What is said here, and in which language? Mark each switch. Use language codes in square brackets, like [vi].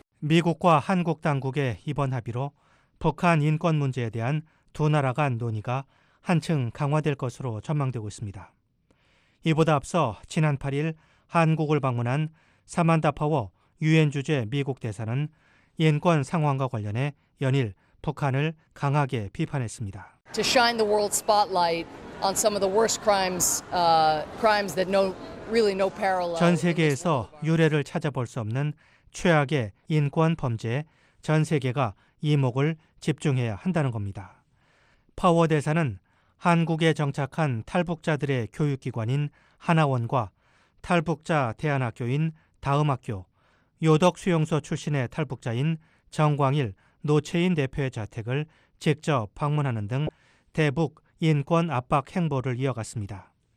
[ko] 미국과 한국 당국의 이번 합의로 북한 인권 문제에 대한 두 나라 간 논의가 한층 강화될 것으로 전망되고 있습니다. 이보다 앞서 지난 8일 한국을 방문한 사만다 파워 유엔 주재 미국 대사는 인권 상황과 관련해 연일 북한을 강하게 비판했습니다. [en] To shine the world spotlight on some of the worst crimes that no really no parallel. [ko] 전 세계에서 유례를 찾아볼 수 없는 최악의 인권 범죄에 전 세계가 이목을 집중해야 한다는 겁니다. 파워 대사는 한국에 정착한 탈북자들의 교육기관인 하나원과 탈북자 대안학교인 다음학교, 요덕수용소 출신의 탈북자인 정광일, 노채인 대표의 자택을 직접 방문하는 등 대북 인권 압박 행보를 이어갔습니다.